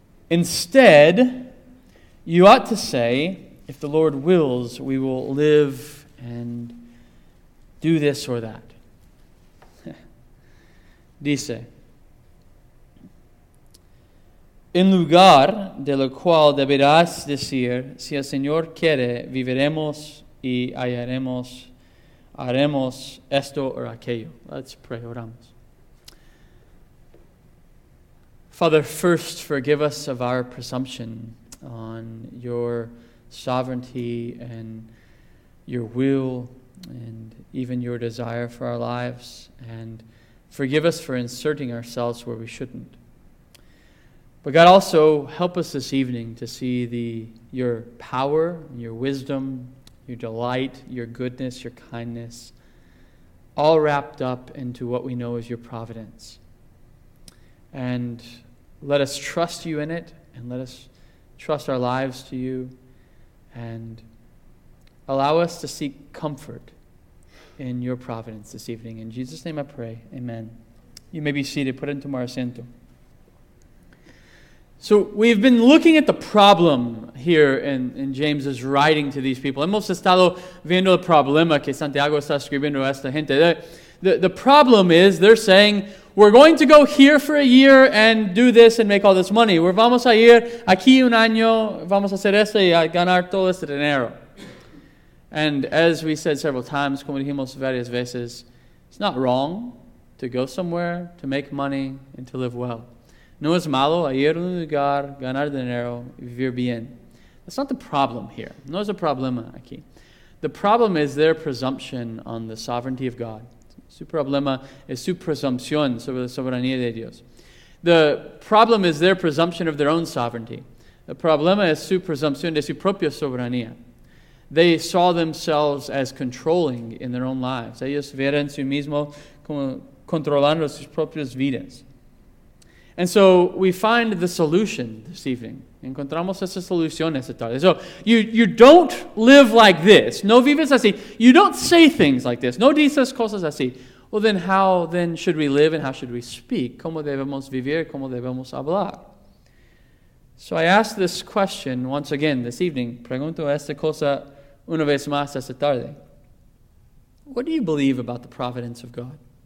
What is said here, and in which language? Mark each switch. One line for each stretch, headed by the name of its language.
English: Instead, you ought to say, if the Lord wills, we will live and do this or that.
Spanish: Dice, en lugar de lo cual deberás decir, si el Señor quiere, viviremos y haremos esto o aquello.
English: Let's pray,
Spanish: oramos.
English: Father, first forgive us of our presumption on your sovereignty and your will and even your desire for our lives, and forgive us for inserting ourselves where we shouldn't. But God, also help us this evening to see your power, your wisdom, your delight, your goodness, your kindness, all wrapped up into what we know as your providence. And let us trust you in it, and let us trust our lives to you, and allow us to seek comfort in your providence this evening. In Jesus' name I pray, amen. You may be seated, put into
Spanish: mi asiento.
English: So we've been looking at the problem here in James's writing to these people.
Spanish: Hemos estado viendo el problema que Santiago está escribiendo a esta gente.
English: The problem is, they're saying, we're going to go here for a year and do this and make all this money. We're
Spanish: vamos a ir aquí un año, vamos a hacer esto y a ganar todo este dinero.
English: And as we said several times,
Spanish: como dijimos varias veces,
English: it's not wrong to go somewhere, to make money, and to live well.
Spanish: No es malo ir a un lugar, ganar dinero, vivir bien.
English: That's not the problem here.
Spanish: No es el problema aquí.
English: The problem is their presumption on the sovereignty of God.
Spanish: Su problema es su presunción sobre la soberanía de Dios.
English: The problem is their presumption of their own sovereignty.
Spanish: The problema es su presunción de su propia soberanía.
English: They saw themselves as controlling in their own lives.
Spanish: Ellos vieron su mismo como controlando sus propias vidas.
English: And so we find the solution this evening.
Spanish: Encontramos esa solución esta tarde.
English: So you don't live like this.
Spanish: No vives así.
English: You don't say things like this.
Spanish: No dices cosas así.
English: Well, then how then should we live and how should we speak?
Spanish: ¿Cómo debemos vivir? ¿Cómo debemos hablar?
English: So I ask this question once again this evening.
Spanish: Pregunto esta cosa una vez más esta tarde.
English: What do you believe about the providence of God?